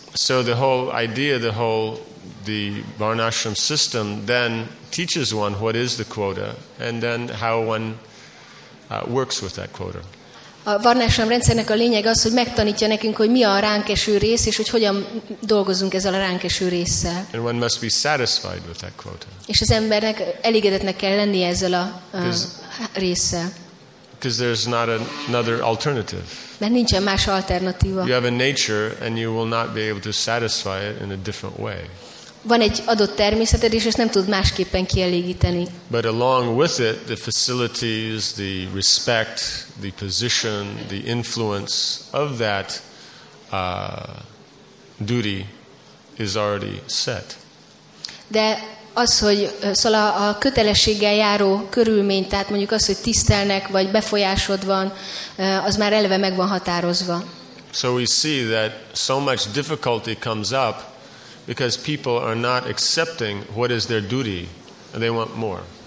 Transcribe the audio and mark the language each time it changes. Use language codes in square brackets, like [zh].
[en] So the whole idea, the Varnashram system then teaches one what is the quota and then how one works with that quota. [hu] A Varnashram rendszernek a lényeg az, hogy megtanítja nekünk, hogy mi a ránk eső rész, és hogy hogyan dolgozunk ezzel a ránk eső résszel. [en] And one must be satisfied with that quota. [hu] És az embernek elégedetnek kell lennie ezzel a résszel. [en] Because there's not another alternative. [hu] Mert nincsen más alternatíva. [en] You have a nature and you will not be able to satisfy it in a different way. [hu] Van egy adott természeted, és ezt nem tud másképpen kielégíteni. [en] But along with it, the facilities, the respect, the position, the influence of that duty is already set. [hu] De az, hogy szóval a kötelességgel járó körülmény, tehát mondjuk az, hogy tisztelnek, vagy befolyásod van, az már eleve meg van határozva. [en] So we see that so much difficulty comes up, because people are not accepting what is their duty and they want more.